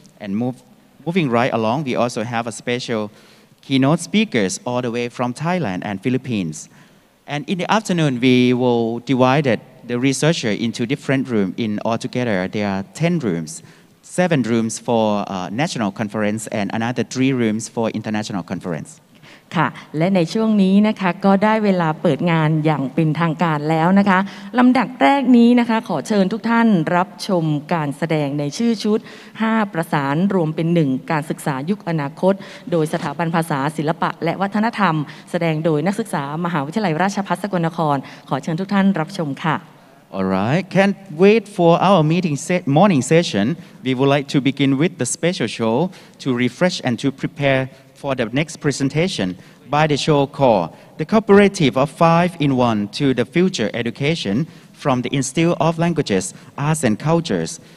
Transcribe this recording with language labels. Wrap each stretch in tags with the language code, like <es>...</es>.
<en>And moving right along, we also have a special keynote speakers all the way from Thailand and Philippines. And in the afternoon, we will divide the researcher into different rooms. In all together, there are 10 rooms, 7 rooms for national conference and another 3 rooms for international conference.</en> <th>ค่ะและในช่วงนี้นะคะก็ได้เวลาเปิดงานอย่างเป็นทางการแล้วนะคะลำดับแรกนี้นะคะขอเชิญทุกท่านรับชมการแสดงในชื่อชุด5ประสานรวมเป็น1การศึกษายุคอนาคตโดยสถาบันภาษาศิลปะและวัฒนธรรมแสดงโดยนักศึกษามหาวิทยาลัยราชภัฏสกลนครขอเชิญทุกท่านรับชมค่ะ</th> <en>All right can't wait for our meeting morning session we would like to begin with the special show to refresh and to prepare for the next presentation by the show called The Cooperative of 5-in-1 to the Future Education from the Institute of Languages, Arts and Cultures.</en>